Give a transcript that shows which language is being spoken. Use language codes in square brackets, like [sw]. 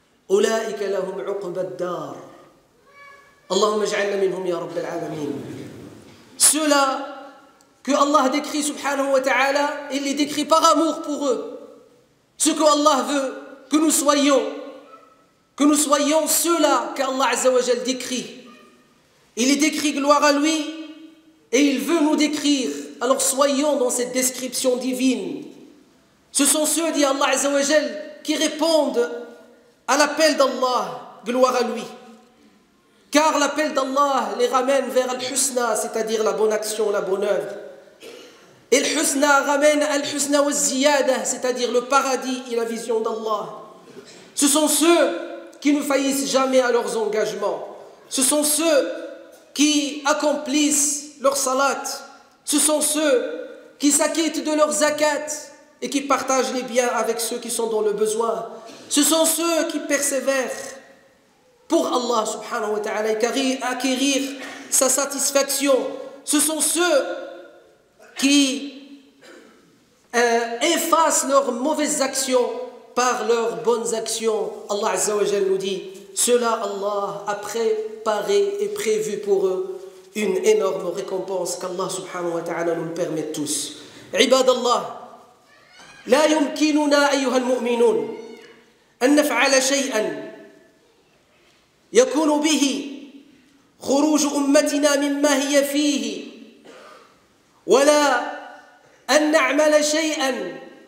[ar] أولئك لهم عقبى الدار اللهم اجعلنا منهم يا رب العالمين [fr] ceux-là que Allah décrit subhanahu wa ta'ala il les décrit par amour pour eux ce que Allah veut que nous soyons ceux-là que Allah azza wa jal décrit il les décrit gloire à lui Et il veut nous décrire, alors soyons dans cette description divine. Ce sont ceux, dit Allah Azza wa Jal, qui répondent à l'appel d'Allah, gloire à lui. Car l'appel d'Allah les ramène vers Al-Husna, c'est-à-dire la bonne action, la bonne œuvre. Et Al-Husna ramène Al-Husna wa Ziyada, c'est-à-dire le paradis et la vision d'Allah. Ce sont ceux qui ne faillissent jamais à leurs engagements. Ce sont ceux qui accomplissent leur salat. Ce sont ceux qui s'acquittent de leur zakat et qui partagent les biens avec ceux qui sont dans le besoin. Ce sont ceux qui persévèrent pour Allah subhanahu wa ta'ala acquérir sa satisfaction. Ce sont ceux qui effacent leurs mauvaises actions par leurs bonnes actions. Allah azza wa jalla nous dit, cela Allah a préparé et prévu pour eux une énorme récompense qu'Allah subhanahu wa ta'ala nous le permette tous. [ar] Ibad Allah, la yumkinuna ayyuha al-mu'minun أن نفعل شيئا يكون به خروج أمتنا مما هي فيه ولا أن نعمل شيئا